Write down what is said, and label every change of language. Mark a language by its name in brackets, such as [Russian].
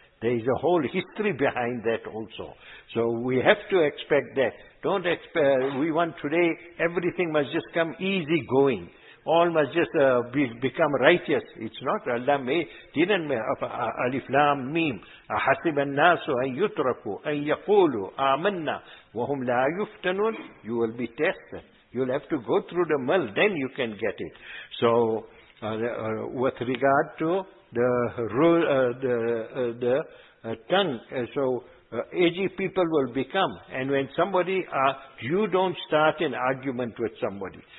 [English] There is a whole history behind that also. So we have to expect that. Don't expect, we want today everything must just come easy going. All must just become righteous. It's not. Allah didn't make alif lam mim. [Arabic] أحسب الناس أن يتركوا أن يقولوا آمنا وهم لا يفتنون. [English] You will be tested. You'll have to go through the mill, then you can get it. So, with regard to the tongue, aged people will become. And when somebody, you don't start an argument with somebody.